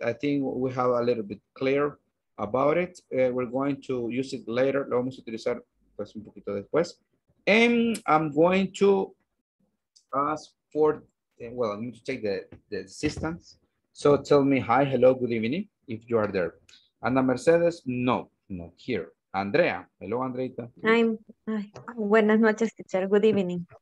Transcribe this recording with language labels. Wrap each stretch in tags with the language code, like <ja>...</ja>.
<en>I think we have a little bit clear about it. We're going to use it later.</en> <es>Lo vamos a utilizar pues un poquito después.</es> <en>And I'm going to ask for, well, I'm going to take the assistance. So tell me hi, hello, good evening, if you are there. Ana Mercedes, no. Not here. Andrea. Hello, Andreita.</en> <es>Buenas noches,</es> <en>teacher. Good evening.</en>